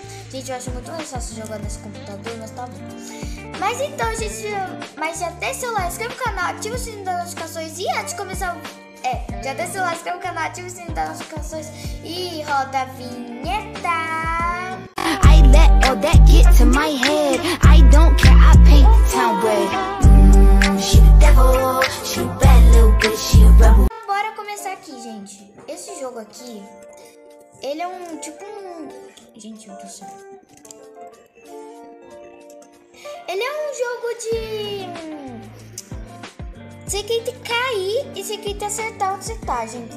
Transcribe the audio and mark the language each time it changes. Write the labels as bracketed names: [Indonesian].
[Portuguese] Gente, eu acho muito mais fácil jogar nesse computador, mas tá bom. Mas então, gente, inscreve no canal, ativa o sininho das notificações e antes de começar. Inscreve no canal, ativa o sininho das notificações e roda a vinheta. [English] I let all that get to my head. I don't care, I paint the town red. She the devil, she a bad little bitch, she a rebel. [Portuguese] Bora começar aqui, gente. Esse jogo aqui, ele é um tipo um... Gente, eu tô só... Ele é um jogo de... Você tem que cair e você tem que acertar onde você tá, gente.